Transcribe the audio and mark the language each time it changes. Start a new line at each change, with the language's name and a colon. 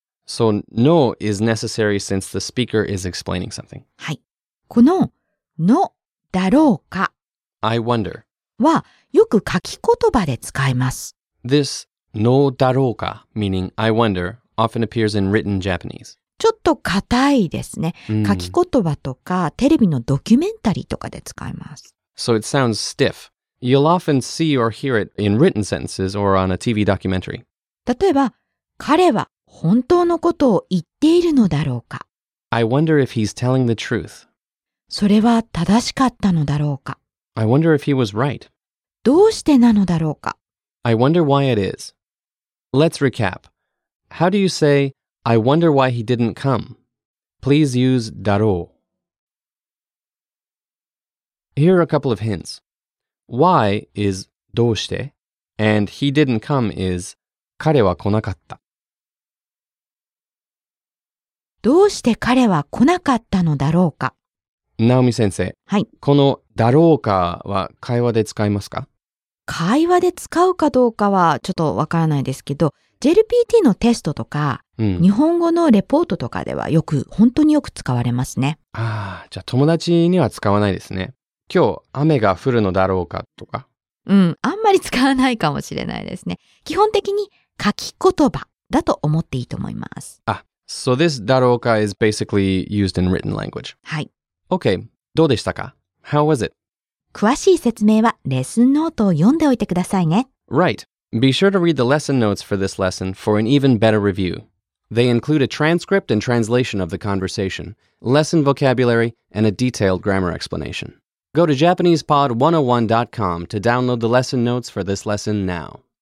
English: So no is necessary since the speaker is explaining something.
Japanese: はい。こののだろうか。
English: I wonder.
Japanese: はよく書き言葉で使います。
English: This のだろうか meaning I wonder often appears in written Japanese.
Japanese: ちょっと硬いですね。Mm. 書き言葉とかテレビのドキュメンタリーとかで使います。
English: So it sounds stiff. You'll often see or hear it in written sentences or on a TV documentary.
Japanese: 例えば、彼は本当のことを言っているのだろうか。
English: I wonder if he's telling the truth.
Japanese: それは正しかったのだろうか。
English: I wonder if he was right.
Japanese: どうしてなのだろうか?
English: I wonder why it is. Let's recap. How do you say, I wonder why he didn't come? Please use だろう. Here are a couple of hints. Why is どうして? And he didn't come is
Japanese: 彼は来なかった。どうして彼は来なかったのだろうか? ナオミ先生、はい、このだろうかは会話で使いますか? 会話で使うかどうかはちょっとわからないですけど、JLPT のテストとか、うん、日本語のレポートとかではよく、本当によく使われますね。ああ、じゃあ友達には使わないですね。今日雨が降るのだろうかとか。うん、あんまり使わないかもしれないですね。基本的に書き言葉だと思っていいと思います。
English: あ、so this だろうか is basically used in written language.
Japanese: はい。
English: Okay,
Japanese: どうでしたか?
English: How was it?
Japanese: 詳しい説明はレッスンノートを読んでおいてくださいね。
English: Right. Be sure to read the lesson notes for this lesson for an even better review. They include a transcript and translation of the conversation, lesson vocabulary, and a detailed grammar explanation. Go to JapanesePod101.com to download the lesson notes for this lesson now.